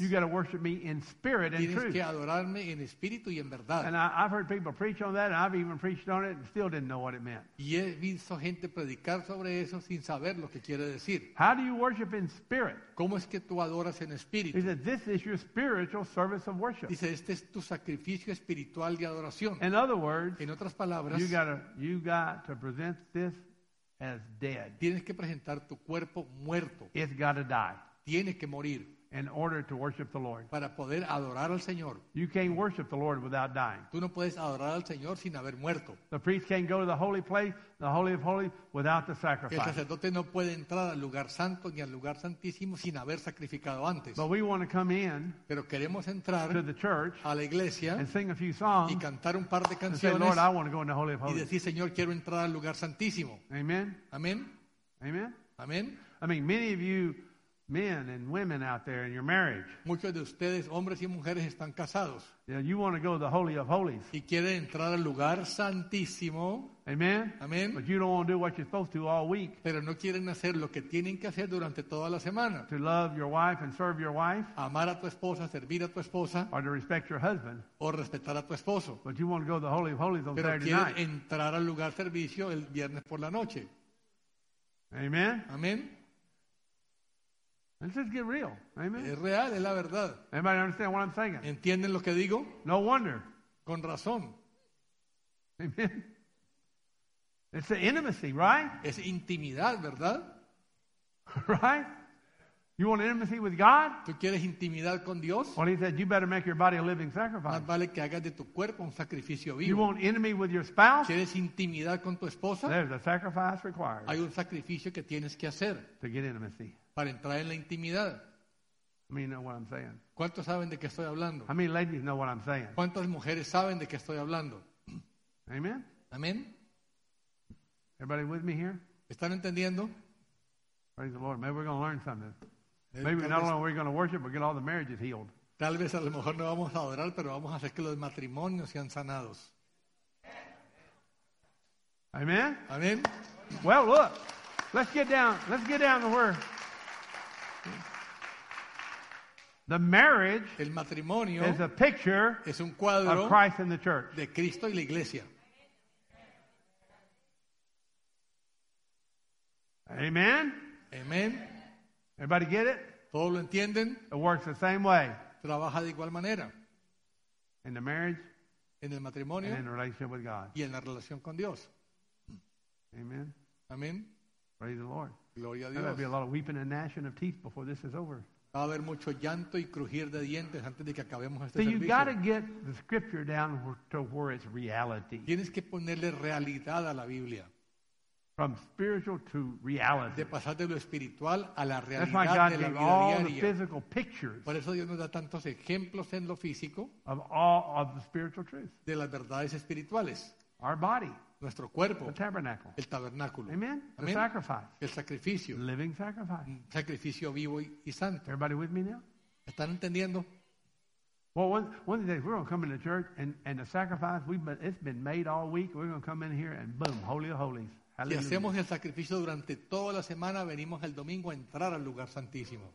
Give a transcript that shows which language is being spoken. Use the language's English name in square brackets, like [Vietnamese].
[English] you got to worship me in spirit and [Spanish] tienes [English] truth. [Spanish] Que adorarme en espíritu y en verdad. [English] And I've heard people preach on that, and I've even preached on it and still didn't know what it meant. [Spanish] Y he visto gente predicar sobre eso sin saber lo que quiere decir. [English] How do you worship in spirit? [Spanish] ¿Cómo es que tú adoras en espíritu? [English] He said, this is your spiritual service of worship. [Spanish] Dice, este es tu sacrificio espiritual de adoración. [English] In other words, [Spanish] en otras palabras, [English] you got to present this as dead. [Spanish] Tienes que presentar tu cuerpo muerto. [English] It's got to die. [Spanish] Tiene que morir. [English] In order to worship the Lord. [Spanish] Para poder adorar al Señor. [English] You can't worship the Lord without dying. [Spanish] Tú no puedes adorar al Señor sin haber muerto. [English] The priest can't go to the holy place, the holy of holies, without the sacrifice. [Spanish] El sacerdote no puede entrar al lugar santo ni al lugar santísimo sin haber sacrificado antes. [English] But we want to come in. [Spanish] Pero queremos entrar [English] to the church, [Spanish] a la iglesia, [English] and sing a few songs, [Spanish] y cantar un par de canciones, [English] and say, Lord, I want to go in the holy of holies. [Spanish] Y decir, Señor, quiero entrar al lugar santísimo. [English] Amen. [Spanish] Amen. [English] Amen. [Spanish] Amen. [English] I mean, many of you men and women out there in your marriage. [Spanish] Muchos de ustedes, hombres y mujeres, están casados. [English] You know, you want to go to the holy of holies. [Spanish] Y quieren entrar al lugar santísimo. [English] Amen. [Spanish] Amen. [English] But you don't want to do what you're supposed to all week. [Spanish] Pero no quieren hacer lo que tienen que hacer durante toda la semana. [English] To love your wife and serve your wife. [Spanish] Amar a tu esposa, servir a tu esposa. [English] Or to respect your husband. [Spanish] O respetar a tu esposo. [English] But you want to go to the holy of holies on [Spanish] Pero [English] Saturday [Spanish] quieren Entrar al lugar servicio el viernes por la noche. [English] Amen. [Spanish] Amen. [English] Let's just get real. Amen. [Spanish] Es real, es la verdad. [English] Anybody understand what I'm saying? [Spanish] ¿Entienden lo que digo? [English] No wonder. [Spanish] Con razón. [English] Amen. It's the intimacy, right? [Spanish] Es intimidad, ¿verdad? [English] Right? You want intimacy with God? [Spanish] ¿Tú quieres intimidad con Dios? [English] Well, he said, you better make your body a living sacrifice. [Spanish] Más vale que hagas de tu cuerpo un sacrificio vivo. [English] You want intimacy with your spouse? [Spanish] ¿Quieres intimidad con tu esposa? [English] There's a sacrifice required. [Spanish] Hay un sacrificio que tienes que hacer. [English] To get intimacy. [Spanish] Para entrar en la intimidad. [English] I mean, know what I'm saying. [Spanish] ¿Cuántos saben de qué estoy hablando? [English] How many ladies know what I'm saying? [Spanish] ¿Cuántas mujeres saben de qué estoy hablando? [English] Amen. [Spanish] Amen. [English] Everybody with me here? [Spanish] ¿Están entendiendo? [English] Praise the Lord. Maybe we're going to learn something. Maybe not only are we going to worship, but get all the marriages healed. [Spanish] Tal vez a lo mejor no vamos a adorar, pero vamos a hacer que los matrimonios sean sanados. [English] Amen. [Spanish] Amen. [English] Well, look. Let's get down to where. The marriage, [Spanish] el matrimonio, [English] is a picture, [Spanish] es un cuadro, [English] of Christ in the church, [Spanish] de Cristo y la iglesia. [English] Amen. [Spanish] Amen. [English] Everybody get it? [Spanish] ¿Todos lo entienden? [English] It works the same way. [Spanish] Trabaja de igual manera. [English] In the marriage, [Spanish] en el matrimonio, [English] and in relationship with God, [Spanish] y en la relación con Dios. [English] Amen. [Spanish] Amen. [English] Praise the Lord. [Spanish] Gloria a Dios. [English] There'll be a lot of weeping and gnashing of teeth before this is over. [Spanish] Va a haber mucho llanto y crujir de dientes antes de que acabemos este so servicio. [English] You got to get the scripture down to where it's reality. [Spanish] Tienes que ponerle realidad a la Biblia. [English] From spiritual to reality. [Spanish] De pasar de lo espiritual a la realidad de la [English] That's why God gave all the physical pictures. [Spanish] Por eso Dios nos da tantos ejemplos en lo físico. [English] Of all of the spiritual truth. [Spanish] De las verdades espirituales. [English] Our body. [Spanish] Nuestro cuerpo. [English] The tabernacle. [Spanish] El tabernáculo. [English] Amen. [Spanish] Amen. [English] The sacrifice. [Spanish] El sacrificio. [English] Living sacrifice. [Spanish] Sacrificio vivo y santo. [English] Everybody with me now? [Spanish] ¿Están entendiendo? [English] Well, one of the days we're going to come into church and the sacrifice, it's been made all week. We're going to come in here and boom, holy of holies. [Spanish] Si hacemos el sacrificio durante toda la semana, venimos el domingo a entrar al lugar santísimo.